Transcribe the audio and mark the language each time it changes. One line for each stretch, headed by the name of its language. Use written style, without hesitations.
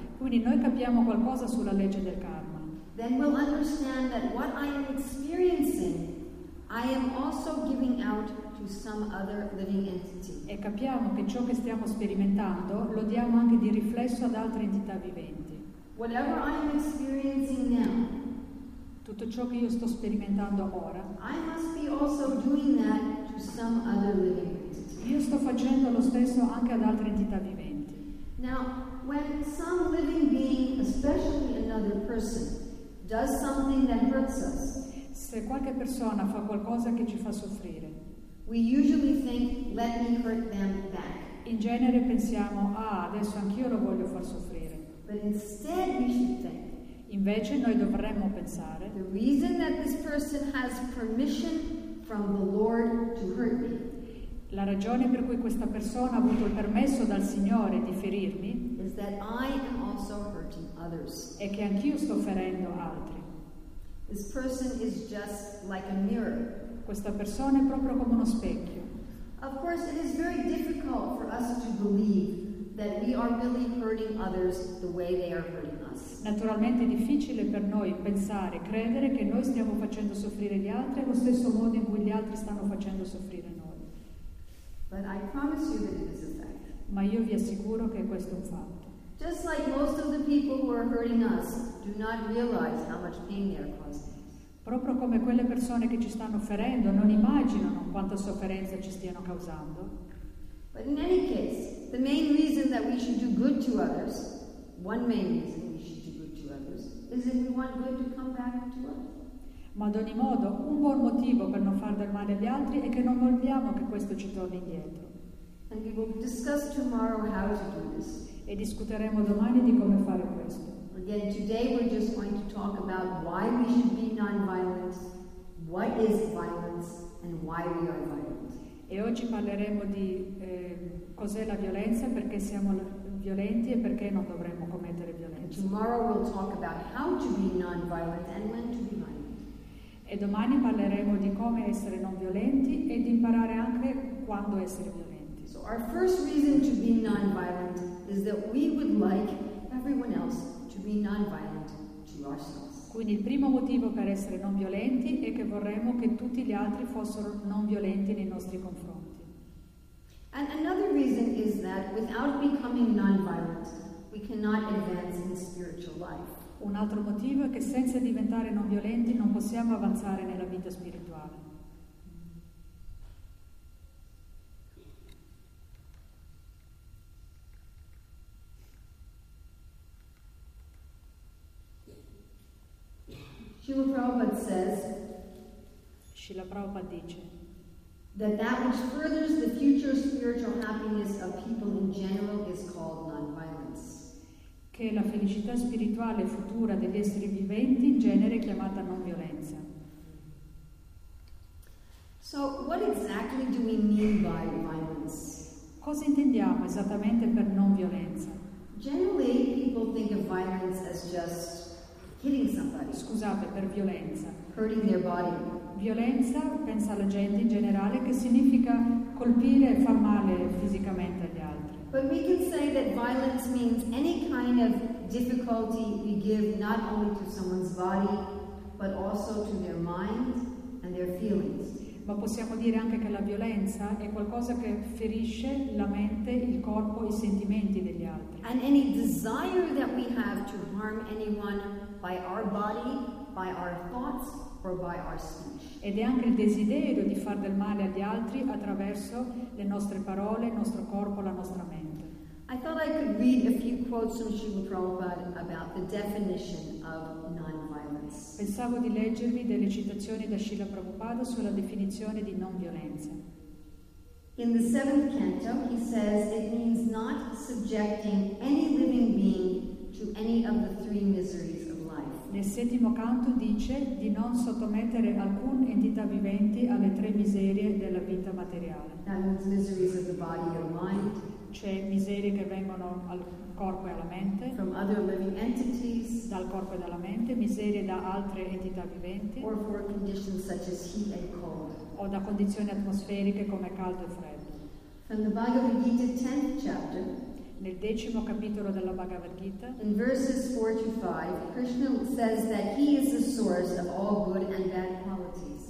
Italian: quindi noi capiamo qualcosa sulla legge del karma.
English: Then we'll understand that what I am experiencing I am also giving out to some other living entity.
Italian: E capiamo che ciò che stiamo sperimentando lo diamo anche di riflesso ad altre entità viventi.
English: Whatever I am experiencing now,
Italian: tutto ciò che io sto sperimentando ora,
English: I must be also doing that to some other living entity.
Italian: Io sto facendo lo stesso anche ad altre entità viventi.
English: Now, when some living being, especially another person, does something that hurts us,
Italian: se qualche persona fa qualcosa che ci fa soffrire,
English: we usually think, let me hurt them back.
Italian: In genere pensiamo, ah, adesso anch'io lo voglio far soffrire.
English: But instead we should think,
Italian: invece noi dovremmo pensare,
English: the reason that this person has permission from the Lord to hurt me,
Italian: La ragione per cui questa persona ha avuto il permesso dal Signore di ferirmi
English: is that I am also hurting others.
Italian: È che anch'io sto ferendo altri.
English: This person is just like a mirror.
Italian: Questa persona è proprio come uno specchio.
English: Of course, it is very difficult for us to believe that we are really hurting others the way they are hurting us.
Italian: Naturalmente è difficile per noi pensare, credere che noi stiamo facendo soffrire gli altri allo stesso modo in cui gli altri stanno facendo soffrire noi.
English: But I promise you that it is a fact.
Italian: Ma io vi assicuro che questo è un fatto.
English: Just like most of the people who are hurting us do not realize how much pain they are causing.
Italian: Proprio come quelle persone che ci stanno ferendo non immaginano quanta sofferenza ci stiano causando.
English: But in any case, the main reason that we should do good to others, one main reason we should do good to others, is if we want good to come back to us.
Italian: Ma ad ogni modo, un buon motivo per non far del male agli altri è che non vogliamo che questo ci torni indietro.
English: And we will discuss tomorrow how to do this.
Italian: E discuteremo domani di come fare questo.
English: Again, today we're just going to talk about why we should be non-violent, what is violence, and why we are violent.
Italian: E oggi parleremo di cos'è la violenza, perché siamo violenti e perché non dovremmo commettere violenza.
English: Tomorrow we'll talk about how to be non-violent and when to be violent.
Italian: E domani parleremo di come essere non violenti e di imparare anche quando essere violenti.
English: So our first reason to be non-violent is that we would like everyone else to be non-violent to ourselves.
Italian: Quindi il primo motivo per essere non violenti è che vorremmo che tutti gli altri fossero non violenti nei nostri confronti.
English: And another reason is that without becoming non-violent, we cannot advance in spiritual life.
Italian: Un altro motivo è che senza diventare non violenti non possiamo avanzare nella vita spirituale.
English: Srila Prabhupada says
Italian: Srila Prabhupada dice
English: that which furthers the future spiritual happiness of people in general is called non-violence.
Italian: Che la felicità spirituale futura degli esseri viventi in genere è chiamata non violenza.
English: So what exactly do we mean by violence?
Italian: Cosa intendiamo esattamente per non violenza?
English: Generally people think of violence as just hitting somebody.
Italian: Scusate, per violenza.
English: Hurting their body.
Italian: Violenza, pensa la gente in generale, che significa colpire e far male fisicamente agli altri.
English: But we can say that violence means any kind of difficulty we give not only to someone's body, but also to their mind and their feelings.
Italian: Ma possiamo dire anche che la violenza è qualcosa che ferisce la mente, il corpo, i sentimenti degli altri.
English: And any desire that we have to harm anyone by our body, by our thoughts, or by our speech.
Italian: Ed è anche il desiderio di far del male agli altri attraverso le nostre parole, il nostro corpo, la nostra mente.
English: I thought I could read a few quotes from Srila Prabhupada about the definition of non-violence.
Italian: Pensavo di leggervi delle citazioni da Srila Prabhupada sulla definizione di non violenza.
English: In the seventh canto, he says it means not subjecting any living being to any of the three miseries.
Italian: Nel settimo canto dice di non sottomettere alcun entità vivente alle tre miserie della vita materiale.
English: Of the body or mind,
Italian: cioè miserie che vengono al corpo e alla mente,
English: from other living entities,
Italian: dal corpo e dalla mente, miserie da altre entità viventi,
English: or for conditions such as heat and cold,
Italian: o da condizioni atmosferiche come caldo e freddo.
English: From the Bhagavad Gita 10th chapter,
Italian: nel decimo capitolo della Bhagavad Gita,
English: in verses 4 to 5, Krishna says that he is the source of all good and bad qualities.